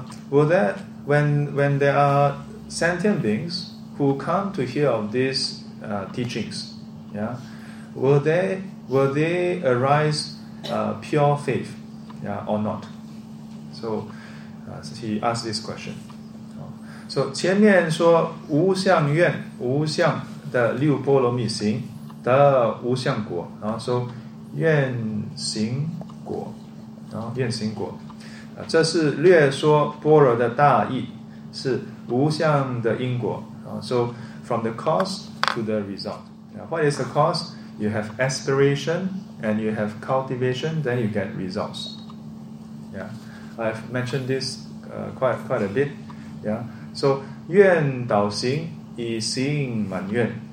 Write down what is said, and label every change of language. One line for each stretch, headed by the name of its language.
English: Will that when there are sentient beings who come to hear of these teachings, yeah, will they arise pure faith, yeah, or not? So, he asked this question.
Chinese: So 前面说无相愿无相的六波罗蜜行得无相果，然后说愿行果。然后愿行果，这是略说般若的大意，是无相的因果。
English: So from the cause to the result. What is the cause? You have aspiration and you have cultivation, then you get results. Yeah, I've mentioned this quite a bit. Yeah.
Chinese: So 愿导行，以行满愿。